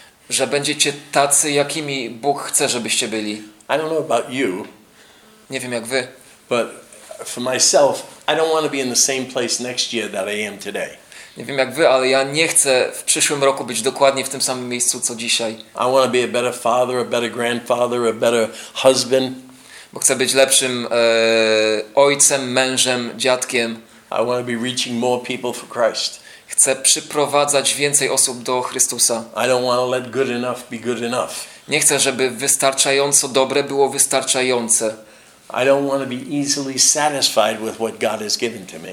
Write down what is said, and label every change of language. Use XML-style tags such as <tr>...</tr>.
<pl>Że będziecie tacy, jakimi Bóg chce, żebyście byli.</pl> <en>I don't know about you,</en> <pl>nie wiem jak wy.</pl> <en>But for myself, I don't want to be in the same place next year that I am today.</en> <pl>Nie wiem jak wy, ale ja nie chcę w przyszłym roku być dokładnie w tym samym miejscu co dzisiaj.</pl> <en>I want to be a better father, a better grandfather, a better husband.</en> <pl>Bo chcę być lepszym ojcem, mężem, dziadkiem.</pl> <en>I want to be reaching more people for Christ.</en> <pl>Chcę przyprowadzać więcej osób do Chrystusa.</pl> <en>I don't want to let good enough be good enough.</en> <pl>Nie chcę, żeby wystarczająco dobre było wystarczające.</pl> <en>I don't want to be easily satisfied with what God has given to me.</en>